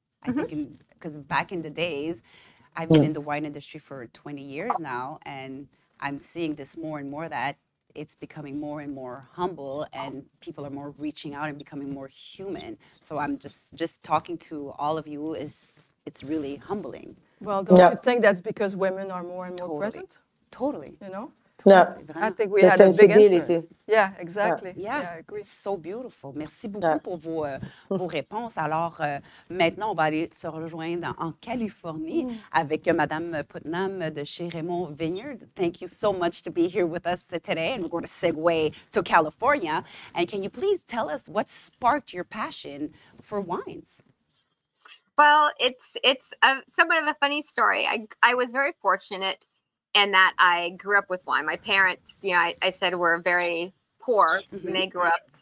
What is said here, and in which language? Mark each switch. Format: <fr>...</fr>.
<en>I think because back in the days, I've been in the wine industry for 20 years now, and I'm seeing this more and more that it's becoming more and more humble and people are more reaching out and becoming more human. So I'm just talking to all of you is, it's really humbling. Well, don't you think that's because women are more and more present? Totally. You know? Totally. Yeah. I think we had a big influence. Yeah, exactly. Yeah. Yeah, I agree. It's so beautiful.</en> <fr>Merci beaucoup pour vos réponses. Alors, maintenant, on va aller se rejoindre en Californie avec Madame Putnam de chez Raymond Vineyard.</fr> <en>Thank you so much to be here with us today, and we're going to segue to California. And can you please tell us what sparked your passion for wines? Well, it's a somewhat of a funny story. I was very fortunate in that I grew up with wine. My parents, you know, I said were very poor when they grew up.</en>